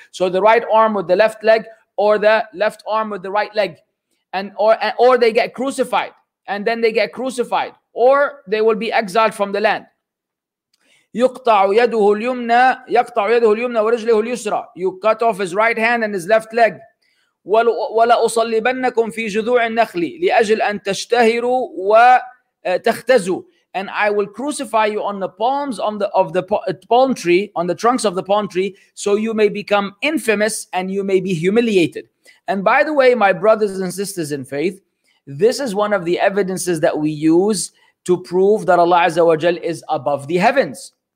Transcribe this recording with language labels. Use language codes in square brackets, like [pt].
[en] So the right arm with the left leg, or the left arm with the right leg, or they get crucified. And then they get crucified, or they will be exiled from the land. [ar] يقطع يده اليمنى ورجله اليسرى. [en] You cut off his right hand and his left leg. [ar] ولا أصلبنكم في جذوع النخل لأجل أن تشتهروا وتختزوا. [en] And I will crucify you on the palms of the palm tree, on the trunks of the palm tree, so you may become infamous and you may be humiliated. And by the way, my brothers and sisters in faith, this is one of the evidences that we use to prove that Allah Azza wa Jal is above the heavens.